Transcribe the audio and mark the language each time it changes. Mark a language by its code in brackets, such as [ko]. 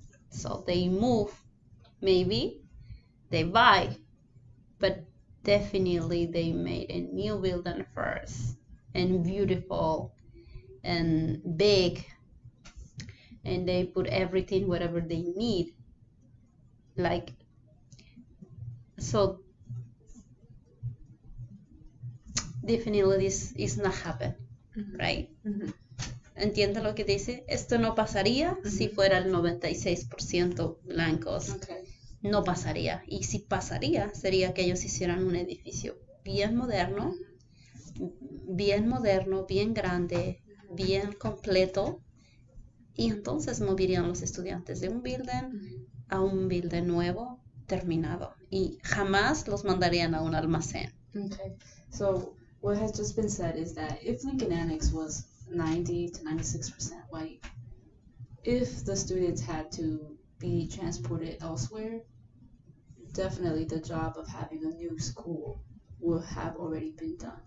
[en] So they move, maybe they buy, but definitely they made a new building first and beautiful and big, and they put everything, whatever they need. Like, so definitely this is not happen, mm-hmm. right? Mm-hmm. [es] Entiende lo que dice, esto no pasaría mm-hmm. si fuera el 96% blancos, [en] okay. [es] no pasaría, y si pasaría sería que ellos hicieran un edificio bien moderno, bien moderno, bien grande, bien completo, y entonces moverían los estudiantes de un building a un building nuevo terminado, y jamás los mandarían a un almacén. [en] Okay, so what has just been said is that if Lincoln Annex was 90 to 96% white, if the students had to be transported elsewhere, definitely the job of having a new school would have already been done.